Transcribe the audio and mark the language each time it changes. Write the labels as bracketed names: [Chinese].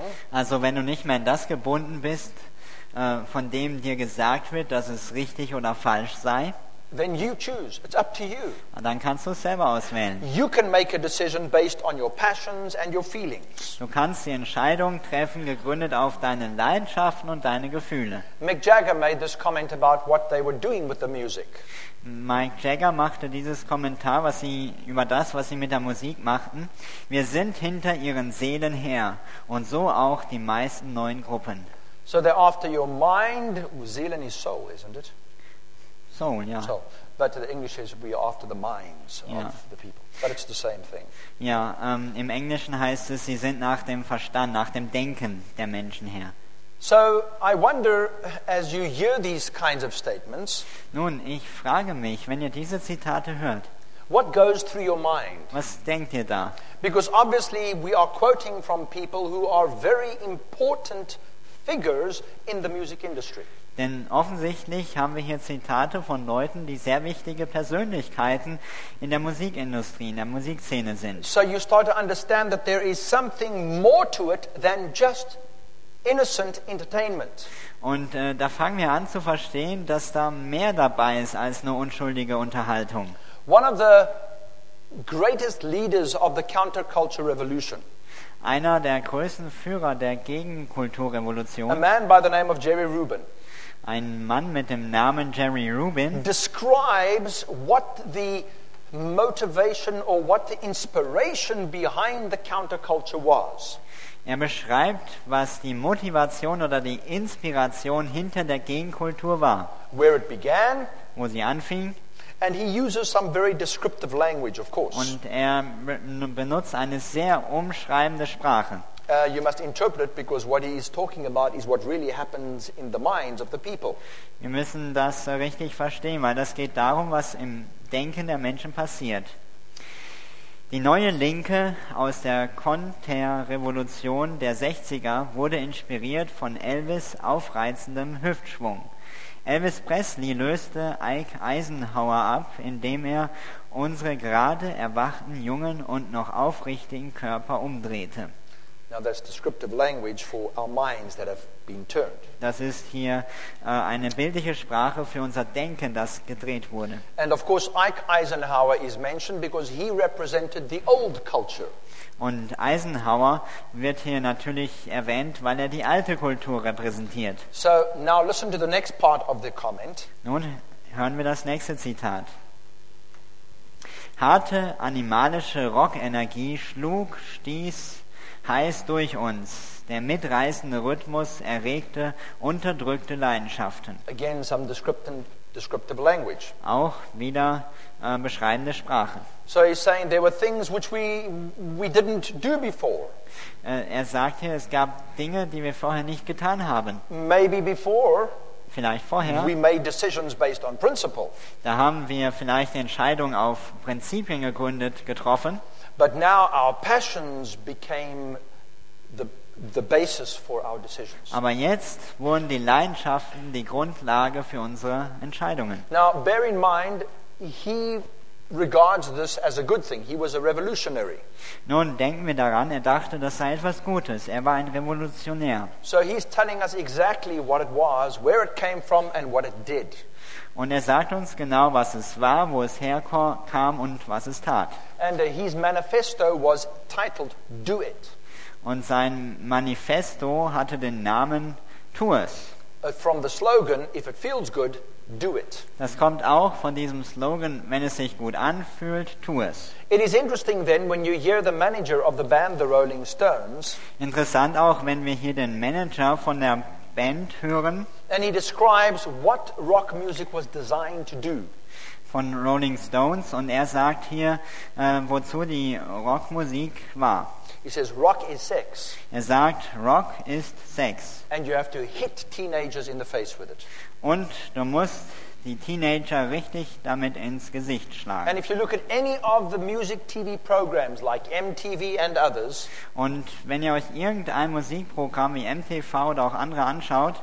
[German] Also wenn du nicht mehr an das gebunden bist, von dem dir gesagt wird, dass es richtig oder falsch sei, [English] then you choose. It's up to you. [German] Dann kannst du es selber auswählen. [English] You can make a decision based on your passions and your feelings. [German] Du kannst die Entscheidung treffen, gegründet auf deine Leidenschaften und deine Gefühle. [English] Mick Jagger made this comment about what they were doing with the music. [German] Mick Jagger machte dieses Kommentar, was sie über das, was sie mit der Musik machten. Wir sind hinter ihren Seelen her und so auch die meisten neuen Gruppen. [English] So they're after your mind, Seelen is soul, isn't it? Soul, yeah. So, but the English is we are after the minds yeah. of the people. But it's the same thing. [German] Ja, im Englischen heißt es, sie sind nach dem Verstand, nach dem Denken der Menschen her. [English] So, I wonder, as you hear these kinds of statements. [German] Nun, ich frage mich, wenn ihr diese Zitate hört. [English] What goes through your mind? [German] Was denkt ihr da? [English] Because obviously we are quoting from people who are very important figures in the music industry. [German] Denn offensichtlich haben wir hier Zitate von Leuten, die sehr wichtige Persönlichkeiten in der Musikindustrie, in der Musikszene sind. [English] So you start to understand that there is something more to it than just innocent entertainment. [German] Und da fangen wir an zu verstehen, dass da mehr dabei ist als nur unschuldige Unterhaltung. [English] One of the greatest leaders of the counterculture revolution. [German] Einer der größten Führer der Gegenkulturrevolution. [English] A man by the name of Jerry Rubin. [German] Ein Mann mit dem Namen Jerry Rubin [English] describes what the motivation or what the inspiration behind the counterculture was. [German] Er beschreibt, was die Motivation oder die Inspiration hinter der Gegenkultur war. [English] Where it began, [German] wo sie anfing. [English] And he uses some very descriptive language, of course. [German] Und er benutzt eine sehr umschreibende Sprache. [English] You must interpret it because what he is talking about is what really happens in the minds of the people. [German] Wir müssen das richtig verstehen, weil das geht darum, was im Denken der Menschen passiert. Die neue Linke aus der Konterrevolution der 60er wurde inspiriert von Elvis aufreizendem Hüftschwung. Elvis Presley löste Ike Eisenhower ab, indem er unsere gerade erwachten jungen und noch aufrichtigen Körper umdrehte. [English] Now that's descriptive language for our minds that have been turned. [German] Das ist hier eine bildliche Sprache für unser Denken, das gedreht wurde. [English] And of course Ike Eisenhower is mentioned because he represented the old culture. [German] Und Eisenhower wird hier natürlich erwähnt, weil er die alte Kultur repräsentiert. [English] So now listen to the next part of the comment. [German] Nun hören wir das nächste Zitat. Harte animalische Rockenergie schlug, stieß heiß durch uns. Der mitreißende Rhythmus erregte unterdrückte Leidenschaften. [English] Again, some descriptive language. [German] Auch wieder beschreibende Sprache. [English] So he's saying there were things which we didn't do before. [German] Er sagt hier, es gab Dinge, die wir vorher nicht getan haben. [English] Maybe before. [German] Vielleicht vorher. [English] We made decisions based on principle. [German] Da haben wir vielleicht Entscheidungen auf Prinzipien gegründet getroffen. [English] But now our passions became the basis for our decisions. [German] Aber jetzt wurden die Leidenschaften die Grundlage für unsere Entscheidungen. [English] Now bear in mind, he regards this as a good thing. He was a revolutionary. [German] Nun denken wir daran, er dachte, das sei etwas Gutes. Er war ein Revolutionär. [English] So he's telling us exactly what it was, where it came from and what it did. [German] Und er sagt uns genau, was es war, wo es herkam und was es tat. [English] And his manifesto was titled Do It. [German] Und sein Manifesto hatte den Namen Tu es. [English] From the slogan, if it feels good, do it. [German] Das kommt auch von diesem Slogan, wenn es sich gut anfühlt, tu es. [English] It is interesting then when you hear the manager of the band the Rolling Stones. [German] Interessant auch, wenn wir hier den Manager von der Band hören. [English] And he describes what rock music was designed to do. [German] Von Rolling Stones und er sagt hier, wozu die Rockmusik war. [English] He says rock is sex. [German] Er sagt, Rock ist Sex. [English] And you have to hit teenagers in the face with it. [German] Und du musst die Teenager richtig damit ins Gesicht schlagen. [English] And if you look at any of the music TV programs like MTV and others, [German] und wenn ihr euch irgendein Musikprogramm wie MTV oder auch andere anschaut,